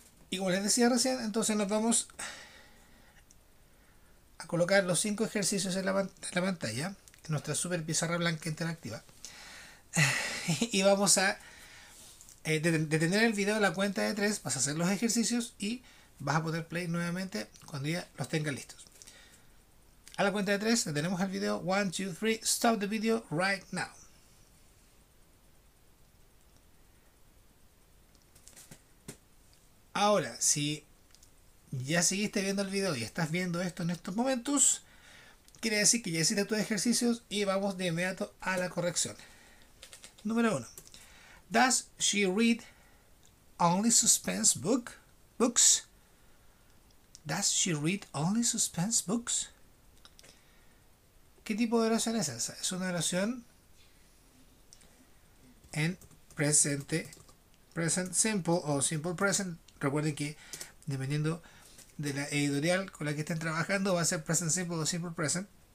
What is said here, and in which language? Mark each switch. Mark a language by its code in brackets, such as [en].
[es] Y como les decía recién, entonces nos vamos a colocar los cinco ejercicios en la pantalla, en nuestra super pizarra blanca interactiva. Y vamos a detener el video a la cuenta de tres, vas a hacer los ejercicios y vas a poner play nuevamente cuando ya los tengas listos. A la cuenta de tres, detenemos el video. [en] 1, 2, 3, stop the video right now. [es] Ahora, si ya seguiste viendo el video y estás viendo esto en estos momentos, quiere decir que ya hiciste tus ejercicios y vamos de inmediato a la corrección. Número 1. [en] Does she read only suspense books? Does she read only suspense books? [es] ¿Qué tipo de oración es esa? Es una oración en present simple o simple present. Recuerden que dependiendo de la editorial con la que estén trabajando, va a ser present simple o simple present.